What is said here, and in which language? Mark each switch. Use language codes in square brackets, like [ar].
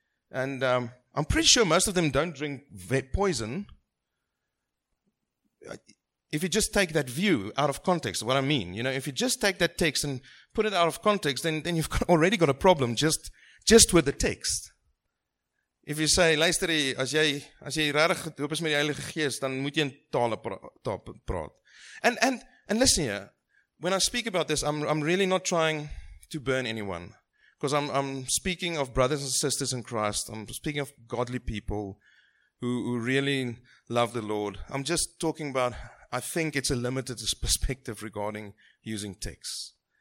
[en] And I'm pretty sure most of them don't drink poison. If you just take that view out of context, what I mean, you know, if you just take that text and put it out of context, then you've already got a problem just with the text. If you say, [af] luister, as jy regtig gedoop is met die Heilige Gees, dan moet jy in tale praat. [en] And listen here, when I speak about this, I'm really not trying to burn anyone, because I'm speaking of brothers and sisters in Christ. I'm speaking of godly people who really love the Lord. I'm just talking about, I think it's a limited perspective regarding using texts.